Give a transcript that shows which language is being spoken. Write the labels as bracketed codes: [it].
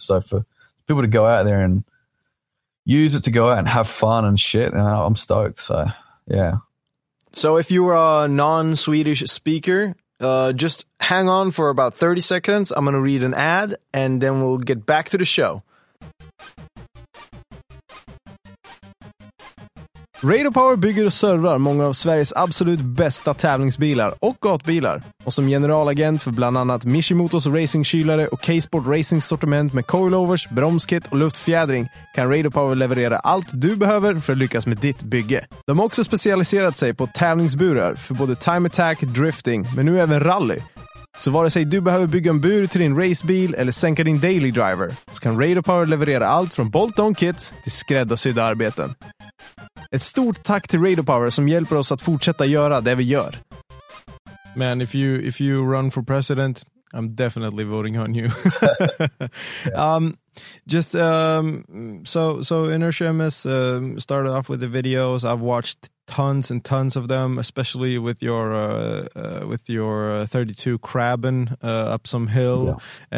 [en] So for people to go out there and use it to go out and have fun and shit, you know, I'm stoked. So, yeah. So if you are a non-Swedish speaker, just hang on for about 30 seconds. I'm going to read an ad and then we'll get back to the show. [sv] Radio Power bygger och servar många av Sveriges absolut bästa tävlingsbilar och gatbilar. Och som generalagent för bland annat Mishimotos racingkylare och K-Sport Racing sortiment med coilovers, bromskit och luftfjädring kan Radio Power leverera allt du behöver för att lyckas med ditt bygge. De har också specialiserat sig på tävlingsburar för både time attack, drifting men nu även rally. Så vare sig du behöver bygga en bur till din racebil eller sänka din daily driver så kan Radio Power leverera allt från bolt-on kits till skräddarsydda arbeten. Ett stort tack till Radio Power som hjälper oss att fortsätta göra det vi gör. [en] Man, if you run for president, I'm definitely voting on you. Yeah. So Inertia MS started off with the videos. I've watched tons and tons of them, especially with your 32 crabbing up some hill, yeah.